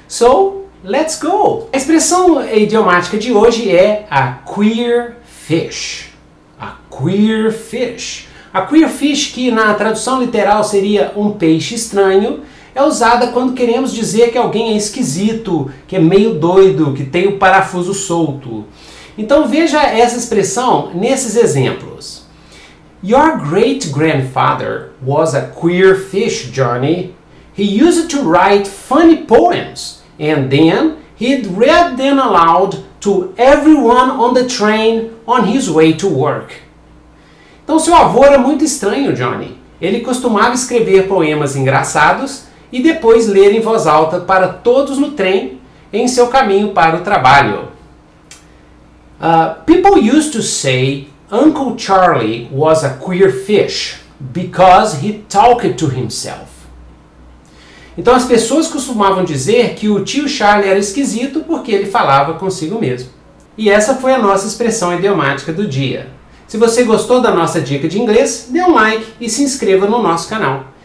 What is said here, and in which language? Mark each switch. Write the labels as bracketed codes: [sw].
[en] So, let's go! [pt] A expressão idiomática de hoje é a queer fish. A queer fish. A queer fish, que na tradução literal seria um peixe estranho, é usada quando queremos dizer que alguém é esquisito, que é meio doido, que tem o parafuso solto. Então veja essa expressão nesses exemplos. [en] Your great-grandfather was a queer fish, Johnny. He used to write funny poems, and then he'd read them aloud to everyone on the train on his way to work. [pt] Então, seu avô era muito estranho, Johnny. Ele costumava escrever poemas engraçados e depois ler em voz alta para todos no trem em seu caminho para o trabalho. [en] People used to say Uncle Charlie was a queer fish because he talked to himself. [pt] Então, as pessoas costumavam dizer que o tio Charlie era esquisito porque ele falava consigo mesmo. E essa foi a nossa expressão idiomática do dia. Se você gostou da nossa dica de inglês, dê um like e se inscreva no nosso canal.